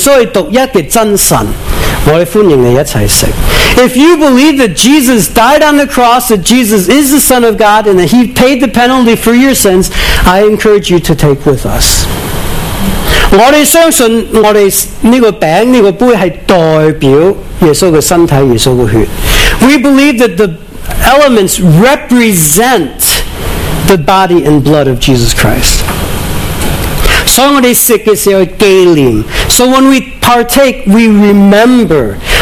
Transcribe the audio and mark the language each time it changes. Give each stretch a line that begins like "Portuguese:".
Chinese: 如果你相信耶稣为你死，为你复活，耶稣是独一的真神，我们欢迎你一起吃。
English: If you believe that Jesus died on the cross, that Jesus is the Son of God, and that he paid the penalty for your sins, I encourage you to take with us.
Chinese: 我们相信我们这个饼，这个杯是代表耶稣的身体，耶稣的血。
English: We believe that the elements represent the body and blood of Jesus Christ. So when we partake, we remember.